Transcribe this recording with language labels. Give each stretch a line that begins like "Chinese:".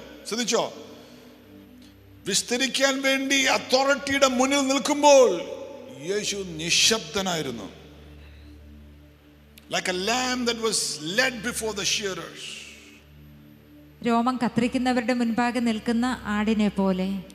Malayalam: ശ്രദ്ധിച്ചോ, വിസ്തരിക്കാൻ വേണ്ടി അതോറിറ്റിയുടെ മുന്നിൽ നിൽക്കുമ്പോൾ യേശു നിശബ്ദനായിരുന്നു.
English: Like a lamb that was led before the shearers.
Malayalam: രോമൻ കത്രിക്കുന്നവരുടെ മുൻപാകെ നിൽക്കുന്ന ആടിനെ പോലെ.